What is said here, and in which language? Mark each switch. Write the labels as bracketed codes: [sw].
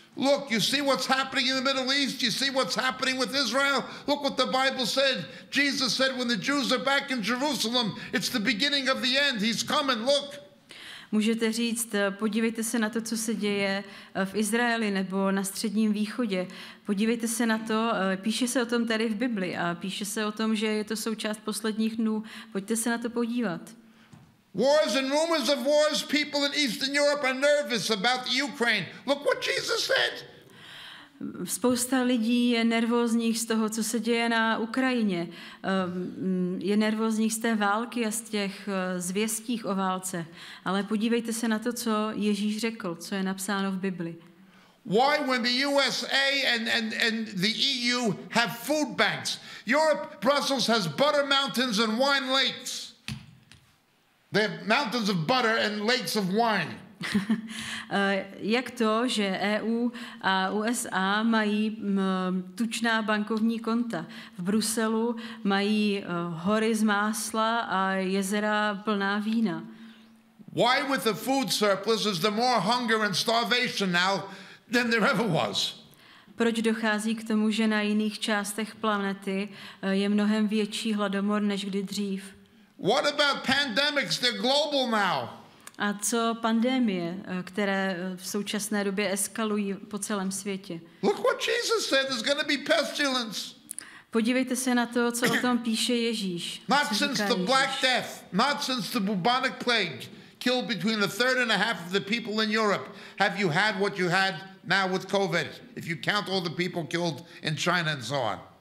[en] Look, you see what's happening in the Middle East? You see what's happening with Israel? Look what the Bible said. Jesus said when the Jews are back in Jerusalem, it's the beginning of the end. He's coming. Look. [cs] Můžete říct, podívejte se na to, co se děje v Izraeli nebo na Středním východě. Podívejte se na to, píše se o tom tady v Bibli a píše se o tom, že je to součást posledních dnů. Pojďte se na to podívat. [en] Wars and rumors of wars, people in Eastern Europe are nervous about the Ukraine. Look what Jesus said. [cs] Spousta lidí je nervózních z toho, co se děje na Ukrajině. Je nervózních z té války a z těch zvěstí o válce. Ale podívejte se na to, co Ježíš řekl, co je napsáno v Bibli. [en] Why when the USA and the EU have food banks? Europe, Brussels has butter mountains and wine lakes. They have mountains of butter and lakes of wine. [cs] Jak to, že EU a USA mají tučná bankovní konta? V Bruselu mají hory z másla a jezera plná vína. [en] Why with the food surplus is there more hunger and starvation now than there ever was? [cs] Proč dochází k tomu, že na jiných částech planety je mnohem větší hladomor než kdy dřív? [en] What about pandemics? They're global now. [cs] A co pandemie, které v současné době eskalují po celém světě? [en] Look what Jesus said, there's going to be pestilence. [cs] Podívejte se na to, co o tom píše Ježíš. [en] Not since the Black Death, not since the bubonic plague killed between a third and a half of the people in Europe, have you had what you had now with COVID, if you count all the people killed in China and so on.